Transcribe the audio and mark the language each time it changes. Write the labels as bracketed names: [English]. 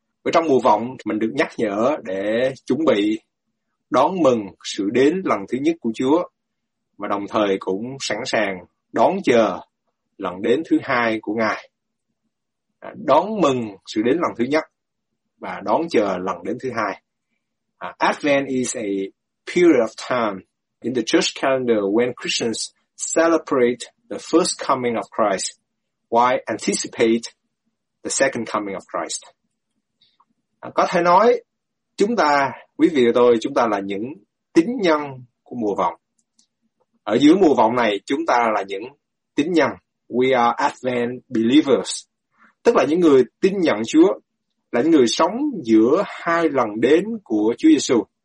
[Vietnamese] Và trong mùa vọng, mình được nhắc nhở để chuẩn bị đón mừng sự đến lần thứ nhất của Chúa. Và đồng thời cũng sẵn sàng đón chờ lần đến thứ hai của Ngài. Đón mừng sự đến lần thứ nhất và đón chờ lần đến thứ hai. [English] Advent is a period of time in the church calendar when Christians celebrate the first coming of Christ while anticipate the second coming of Christ. [Vietnamese] Có thể nói, chúng ta, quý vị và tôi, chúng ta là những tín nhân của mùa vọng. Ở dưới mùa vọng này, chúng ta là những tín nhân. [English] We are Advent believers. [Vietnamese] Tức là những người tin nhận Chúa, là những người sống giữa hai lần đến của Chúa Giêsu.